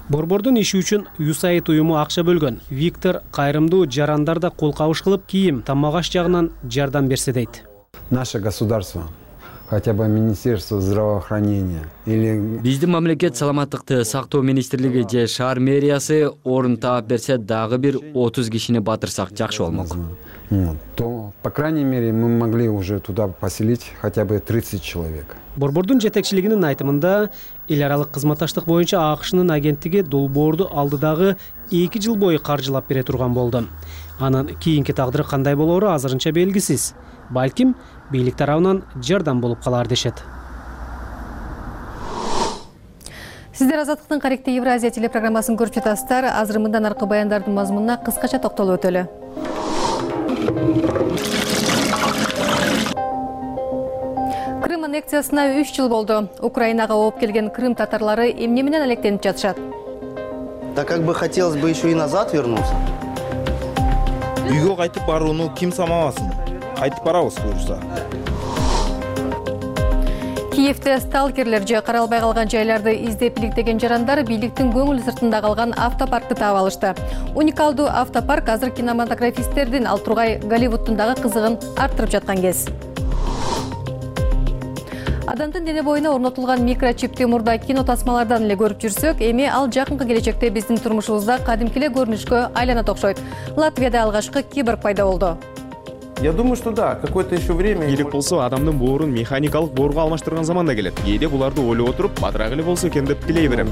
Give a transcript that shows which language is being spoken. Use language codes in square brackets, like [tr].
[ky] Борбордун иши үчүн USAID уюму акча бөлгөн. Виктор кайрымдуу жарандар да кол кабыш кылып, кийим, тамак аш жагынан жардам берсе дейт. [ru] Наше государство. Хотя бы Министерство здравоохранения или [ky] биздин мамлекет саламаттыкты сактоо министрлиги же шаар мэриясы орун таап берсе дагы бир 30 кишини батырсак жакшы болмок. [ru] То, по крайней мере, мы могли уже туда поселить хотя бы 30 человек. [ky] Борбордун жетекчилигинин айтымында эл аралык кызматташтык боюнча АКШнын агенттиги долбоорду алдыдагы 2 жыл бою каржылап бере турган болду. Анын кийинки тагдыры кандай болоору азырынча белгисиз. Балким бийлик тарабынан жардам болуп калар дешет. Сиздер Азаттыктын Каректи Евразия телепрограммасын көрүп жатасыздар. Азыр мындан аркы баяндардын мазмунуна кыскача токтолуп өтөлү. Крым аннексиясына 3 жыл болду. Украинага ооп келген крым татарлары эмне менен алектенип жатышат? [ru] Да как бы хотелось бы еще и назад вернуться. [ky] Үйгө кайтып барууну ким самаласын? Айтып барабыз, буюрса. Киевте сталкерлер же каралбай калган жайларды издеп иликтеген жарандар бийликтин көңүл сыртында калган автопаркты таап алышты. Уникалдуу автопарк азыр кинематографисттердин ал тургай Голливудтундагы кызыгын арттырып жаткан кез. Адамдын дене боюна орнотулган микрочипти мурда кино тасмалардан эле көрүп жүрсөк, эми ал жакынкы келечекте биздин турмушубузда кадимки эле көрүнүшкө айланат окшойт. Латвияда алгачкы киборг пайда болду. [ru] Я думаю, что да, какое-то еще время. [ky] Керек болсо, адамдын боорун механикалык боорго алмаштырган заман да келет. Кээде буларды ойлоп отуруп, батырак эле болсо экен деп тилей берем.